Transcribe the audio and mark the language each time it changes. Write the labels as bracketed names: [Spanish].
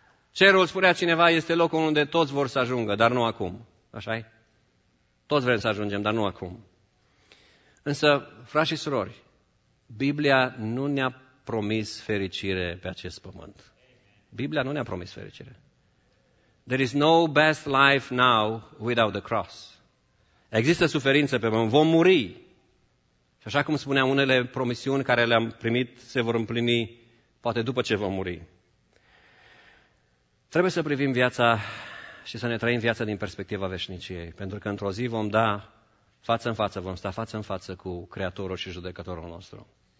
[Romanian] Cerul, spunea cineva, este locul unde toți vor să ajungă, dar nu acum. Așa-i? Toți vrem să ajungem, dar nu acum. Însă, frați și surori, Biblia nu ne-a promis fericire pe acest pământ. Biblia nu ne-a promis fericire. [English] There is no best life now without the cross. [Romanian] Există suferință pe pământ, vom muri. Și așa cum spuneam, unele promisiuni care le-am primit se vor împlini poate după ce vom muri. Trebuie să privim viața și să ne trăim viața din perspectiva veșniciei, pentru că într-o zi vom da față în față, vom sta față în față cu Creatorul și Judecătorul nostru.